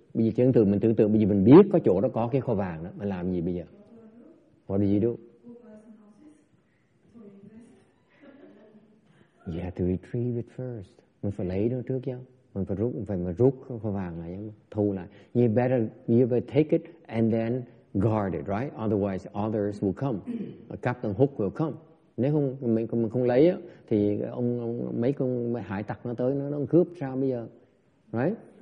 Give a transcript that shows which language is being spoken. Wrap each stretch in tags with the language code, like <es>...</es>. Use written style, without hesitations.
<vi>Bây giờ tưởng tượng bây giờ mình biết có chỗ đó có cái kho vàng đó, mình làm gì bây giờ?</vi> <en>What do you do? You have to retrieve it first.</en> <vi>Mình phải lấy nó trước chứ. Mình phải rút kho vàng lại, thu lại.</vi> <en>You better take it and then guard it, right? Otherwise, others will come. Captain Hook will come.</en> <vi>Nếu không mình không lấy thì ông mấy con hải tặc nó tới nó cướp sao bây giờ, right?</vi>